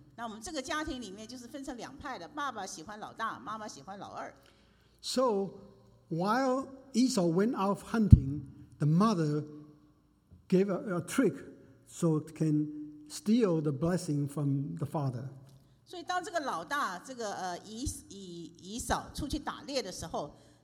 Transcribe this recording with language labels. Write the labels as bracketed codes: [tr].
[zh] 那我们这个家庭里面就是分成两派的，爸爸喜欢老大，妈妈喜欢老二。 [en] So while Esau went off hunting, the mother gave a trick so it can steal the blessing from the father. [zh] 所以当这个老大，这个以扫出去打猎的时候。